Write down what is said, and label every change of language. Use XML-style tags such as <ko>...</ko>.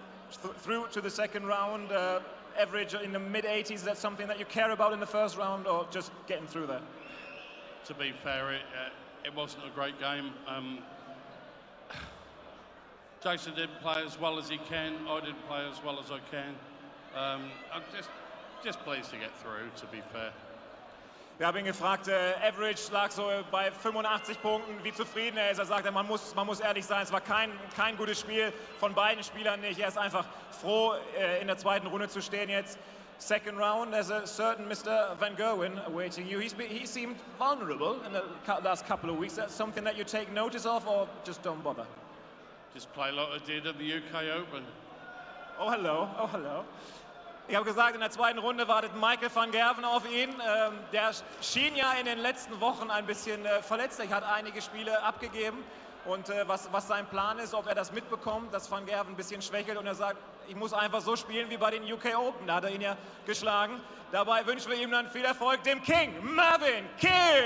<en>Through to the second round, average in the mid-80s, is that something that you care about in the first round, or just getting through there? To be fair, it wasn't a great game. Jason did play as well as he can. I did play as well as I can. I'm just pleased to get through, to be fair.</en> <de>Wir haben ihn gefragt, Average lag so bei 85 Punkten, wie zufrieden er ist. Er sagte, man muss ehrlich sein, es war kein gutes Spiel von beiden Spielern nicht. Er ist einfach froh, in der zweiten Runde zu stehen jetzt.</de> <en>Second round, there's a certain Mr. Van Gerwen awaiting you. He seemed vulnerable in the last couple of weeks. That's something that you take notice of, or just don't bother? Just play like I did at the UK Open. Oh, hello, oh, hello.</en> <de>Ich habe gesagt, in der zweiten Runde wartet Michael van Gerwen auf ihn. Der schien ja in den letzten Wochen ein bisschen verletzt. Er hat einige Spiele abgegeben. Und was sein Plan ist, ob er das mitbekommt, dass van Gerwen ein bisschen schwächelt. Und er sagt, ich muss einfach so spielen wie bei den UK Open. Da hat er ihn ja geschlagen. Dabei wünschen wir ihm dann viel Erfolg, dem King, Mervyn King.</de>